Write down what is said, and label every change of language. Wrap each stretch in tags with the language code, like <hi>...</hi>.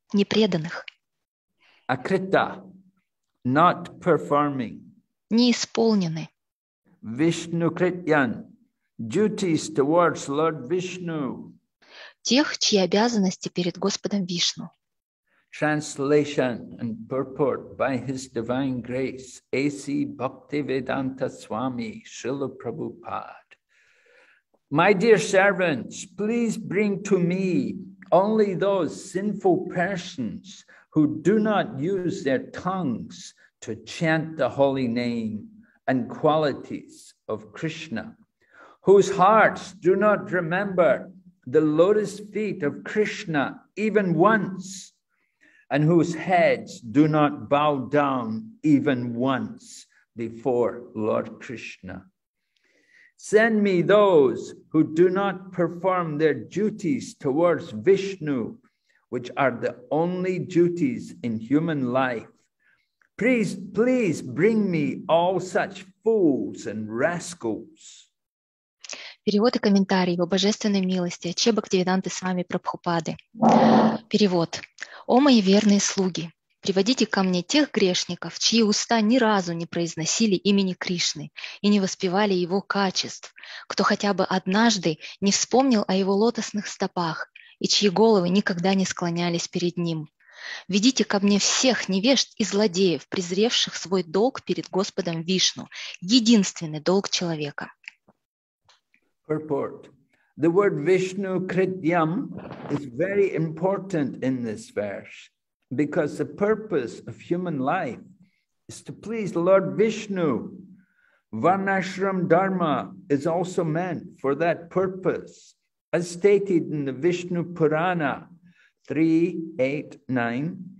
<ru>Непреданных.</ru> <en>Akrita, not performing.</en> <ru>Неисполнены.</ru> <en>Vishnu Krityan, duties towards Lord Vishnu.</en> <ru>Тех, чьи обязанности перед Господом Вишну.</ru> <en>Translation and purport by His Divine Grace, A.C. Bhaktivedanta Swami, Srila Prabhupada. My dear servants, please bring to me only those sinful persons who do not use their tongues to chant the holy name and qualities of Krishna, whose hearts do not remember the lotus feet of Krishna even once, and whose heads do not bow down even once before Lord Krishna. Send me those who do not perform their duties towards Vishnu, which are the only duties in human life. Please, please bring me all such fools and rascals.</en> <ru>Перевод и комментарий его божественной милости от Чхабхактивиданты Свами Прабхупады. Перевод. О, мои верные слуги, приводите ко мне тех грешников, чьи уста ни разу не произносили имени Кришны и не воспевали его качеств, кто хотя бы однажды не вспомнил о его лотосных стопах и чьи головы никогда не склонялись перед ним. Ведите ко мне всех невежд и злодеев, презревших свой долг перед Господом Вишну, единственный долг человека.</ru> <en>Purport. The word Vishnu Kridyam is very important in this verse because the purpose of human life is to please Lord Vishnu. Varnashram Dharma is also meant for that purpose, as stated in the Vishnu Purana 3.8.9.</en>